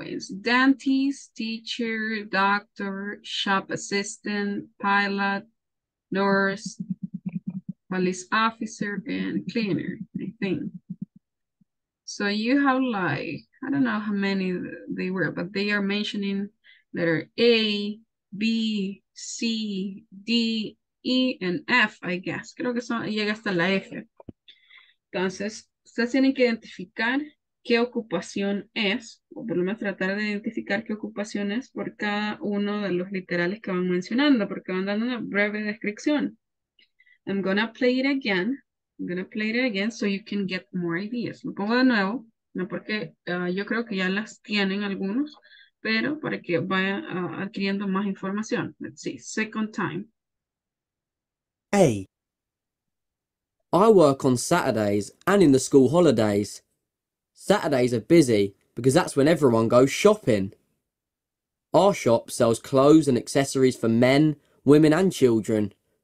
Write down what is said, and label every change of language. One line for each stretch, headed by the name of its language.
English: Dentist, teacher, doctor, shop assistant, pilot, nurse, police officer, and cleaner, I think. So you have like, I don't know how many they were, but they are mentioning letter A, B, C, D, E, and F, I guess.
Spanish: Creo que son, llega hasta la F. Entonces, ustedes tienen que identificar qué ocupación es, o por lo menos tratar de identificar qué ocupación es por cada uno de los literales que van mencionando, porque van dando una breve descripción.
English: I'm gonna play it again. I'm gonna play it again so you can get more ideas.
Spanish: Lo pongo de nuevo, no porque yo creo que ya las tienen algunos, pero para que vaya adquiriendo más información.
English: Let's see, second time. A. I work on Saturdays and in the school holidays. Saturdays are busy because that's when everyone goes shopping. Our shop sells clothes and accessories for men, women and children.